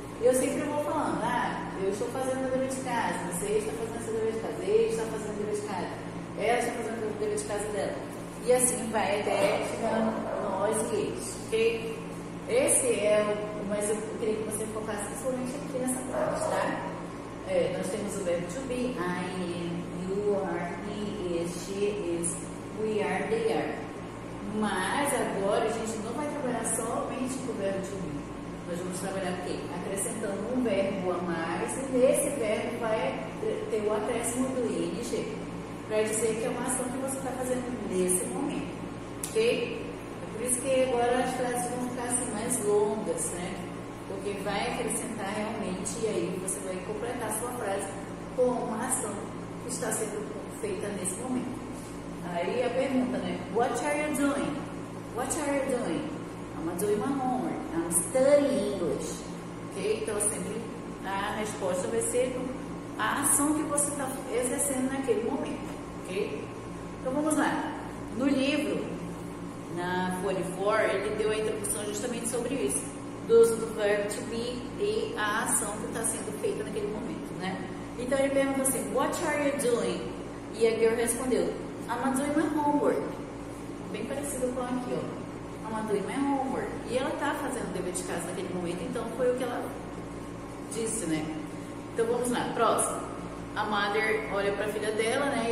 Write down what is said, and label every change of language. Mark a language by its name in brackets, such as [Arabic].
[Portuguese] Eu sempre vou falando, ah, eu estou fazendo o dever de casa, você está fazendo o dever de casa, ele está fazendo o dever de casa, ela está fazendo o dever de casa dela. E assim vai até ficando nós e eles, ok? Esse é o mais, eu queria que você focasse principalmente aqui nessa parte, tá? É, nós temos o verbo to be, [English] I am, you are, he is, she is, we are, they are. [Portuguese] Mas agora a gente não vai trabalhar somente com o verbo to be. Nós vamos trabalhar o quê? Acrescentando um verbo a mais, e nesse verbo vai ter o acréscimo do ing, para dizer que é uma ação que você está fazendo nesse momento. Ok? É por isso que agora as frases vão ficar assim mais longas, né? Porque vai acrescentar realmente, e aí você vai completar a sua frase com uma ação que está sendo feita nesse momento. Aí a pergunta, né? [English] What are you doing? What are you doing? I'm doing my homework. I'm studying English. Ok? [Portuguese] Então, sempre a resposta vai ser a ação que você está exercendo naquele momento. Ok? Então, vamos lá. No livro, na folha 4, ele deu a introdução justamente sobre isso. Do uso do verbo to be e a ação que está sendo feita naquele momento, né? Então, ele pergunta assim, [English] what are you doing? [Portuguese] E a girl respondeu, [English] I'm doing my homework. [Portuguese] Bem parecido com aqui, ó. [English] I'm doing my homework. [Portuguese] E ela está fazendo o dever de casa naquele momento, então foi o que ela disse, né? Então vamos lá, próximo. A mother olha para a filha dela, né?